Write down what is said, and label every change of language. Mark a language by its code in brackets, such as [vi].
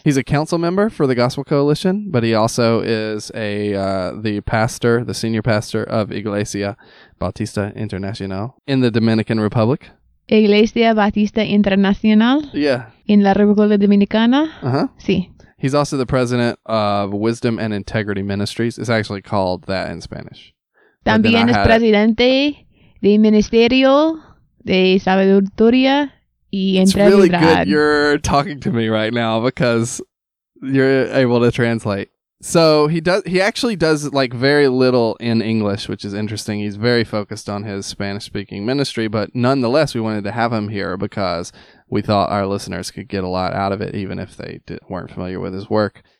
[en] He's a council member for the Gospel Coalition, but he also is the senior pastor of Iglesia Bautista Internacional in the Dominican Republic. Iglesia Bautista Internacional. Yeah. In la República Dominicana. Uh-huh. [es] Sí. [en] He's also the president of Wisdom and Integrity Ministries. It's actually called that in Spanish. [es] También es presidente de Ministerio de Sabiduría y Integridad. [en] It's really good you're talking to me right now because you're able to translate. So he actually does like very little in English, which is interesting. He's very focused on his Spanish speaking ministry, but nonetheless, we wanted to have him here because we thought our listeners could get a lot out of it, even if they weren't familiar with his work.